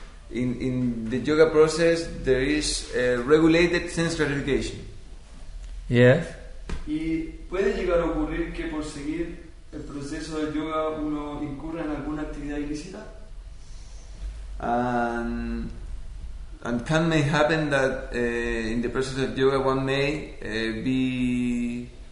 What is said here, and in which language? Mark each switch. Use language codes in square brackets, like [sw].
[en] In the yoga process, there is a regulated sense gratification. Yes. [es] Y puede llegar a ocurrir que por seguir el proceso del yoga uno incurra en alguna actividad ilícita. [en] And can may happen that in the process of yoga one may be